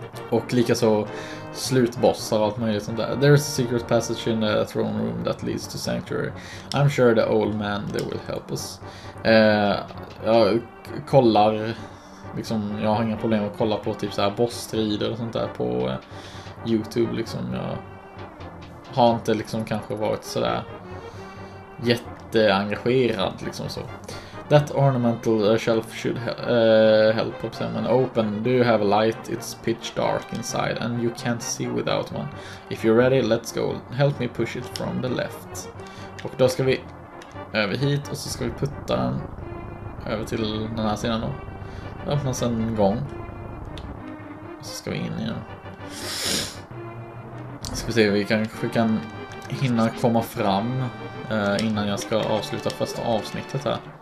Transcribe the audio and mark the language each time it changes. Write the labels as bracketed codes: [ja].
[sv] Och likaså slutbossar och allt möjligt sånt där. [en] There's a secret passage in the throne room that leads to sanctuary. I'm sure the old man, they will help us. [sv] Jag kollar, liksom, jag har inga problem att kolla på typ så här bossstrider och sånt där på YouTube, liksom. Jag har inte liksom kanske varit så där jätteengagerad liksom så. [en] That ornamental shelf should help up them and open. Do you have a light? It's pitch dark inside and you can't see without one. If you're ready, let's go. Help me push it from the left. [sv] Och då ska vi över hit och så ska vi putta den över till den här sidan då. Öppnas en gång. Och så ska vi in igen. Ska vi se, vi kanske kan hinna komma fram innan jag ska avsluta första avsnittet här.